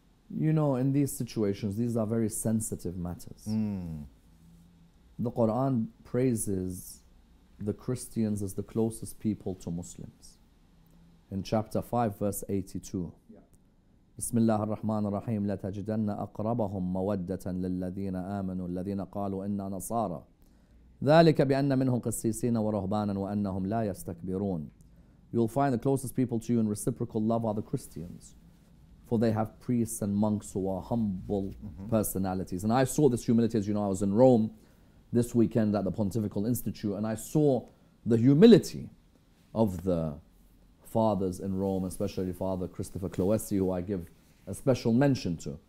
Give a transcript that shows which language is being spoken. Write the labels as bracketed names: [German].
[English] You know, in these situations, these are very sensitive matters. The Quran praises the Christians as the closest people to Muslims. In chapter 5, verse 82. [Arabic] بسم الله الرحمن الرحيم لا تجدن أقربهم مودة للذين آمنوا الذين قالوا إنا نصارى ذلك بأن منهم قسيسين ورهبانا وأنهم لا يستكبرون. [English] You'll find the closest people to you in reciprocal love are the Christians, for they have priests and monks who are humble personalities. And I saw this humility, as you know, I was in Rome this weekend at the Pontifical Institute, and I saw the humility of the fathers in Rome, especially Father Christopher Cloessi, who I give a special mention to.